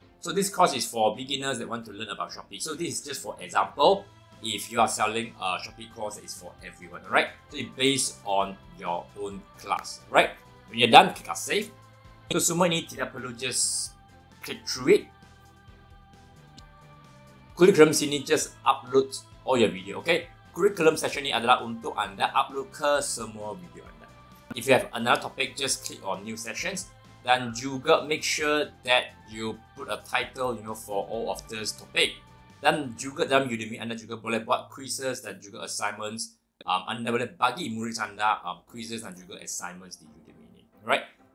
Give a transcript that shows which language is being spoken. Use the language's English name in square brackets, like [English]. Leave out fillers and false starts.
[English] So this course is for beginners that want to learn about Shopee. So this is just for example, if you are selling a Shopee course, it's for everyone, right? So it's based on your own class, right? When you're done, click on save. So [Malay] semua ini tidak perlu, [English] just click through it. Curriculum sini just upload all your video, okay? [Malay] Curriculum session ni adalah untuk anda upload ke semua video anda. [English] If you have another topic, just click on new sessions. [Malay] Dan juga [English] make sure that you put a title, you know, for all of this topic. [Malay] Dan juga dalam Udemy, anda juga boleh buat quizzes dan juga assignments. Anda boleh bagi murid anda quizzes dan juga assignments di Udemy ni, right?